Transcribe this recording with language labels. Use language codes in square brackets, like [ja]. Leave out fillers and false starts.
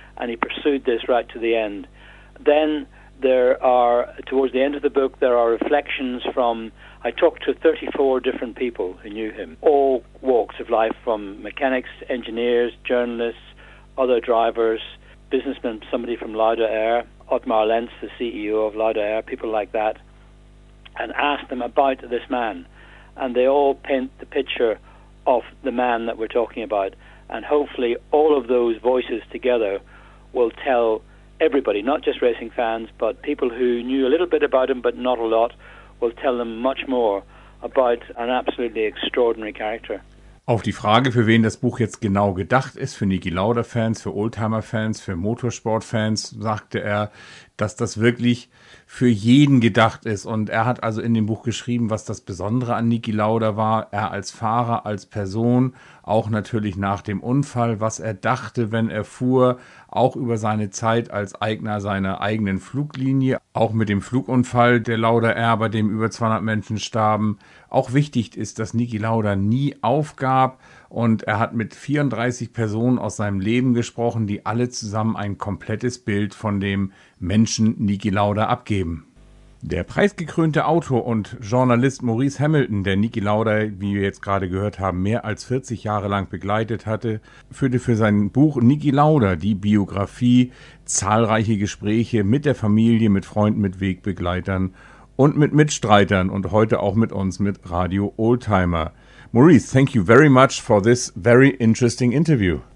[en] And he pursued this right to the end. Then there are, towards the end of the book, there are reflections from, I talked to 34 different people who knew him, all walks of life, from mechanics, engineers, journalists, other drivers, businessmen, somebody from Lauda Air, Otmar Lenz, the CEO of Lauda Air, people like that, and asked them about this man. And they all paint the picture of the man that we're talking about. and hopefully all of those voices together will tell everybody, not just racing fans, but people who knew a little bit about him but not a lot, will tell them much more about an absolutely extraordinary character. [de] Auf die Frage, für wen das Buch jetzt genau gedacht ist, für Niki Lauda-Fans, für Oldtimer-Fans, für Motorsport-Fans, sagte er, dass das wirklich für jeden gedacht ist. Und er hat also in dem Buch geschrieben, was das Besondere an Niki Lauda war. Er als Fahrer, als Person, auch natürlich nach dem Unfall, was er dachte, wenn er fuhr, auch über seine Zeit als Eigner seiner eigenen Fluglinie, auch mit dem Flugunfall der Lauda Air, bei dem über 200 Menschen starben. Auch wichtig ist, dass Niki Lauda nie aufgab. Und er hat mit 34 Personen aus seinem Leben gesprochen, die alle zusammen ein komplettes Bild von dem Menschen Niki Lauda abgeben. Der preisgekrönte Autor und Journalist Maurice Hamilton, der Niki Lauda, wie wir jetzt gerade gehört haben, mehr als 40 Jahre lang begleitet hatte, führte für sein Buch Niki Lauda, die Biografie, zahlreiche Gespräche mit der Familie, mit Freunden, mit Wegbegleitern und mit Mitstreitern und heute auch mit uns mit Radio Oldtimer. [en] Maurice, thank you very much for this very interesting interview.